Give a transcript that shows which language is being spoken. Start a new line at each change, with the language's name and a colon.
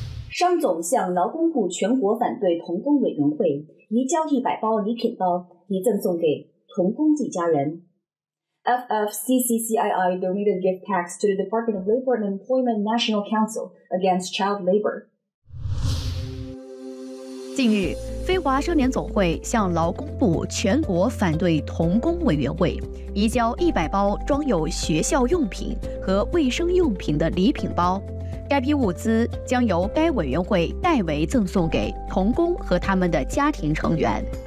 Chinese: 商总向劳工部全国反对童工委员会移交100包礼品包，以赠送给童工及家人。
English: FFCCCII donated gift packs to the Department of Labor and Employment National Council against Child Labor.
Chinese: 近日，非华社联总会向劳工部全国反对童工委员会移交100包装有学校用品和卫生用品的礼品包。该批物资将由该委员会代为赠送给童工和他们的家庭成员。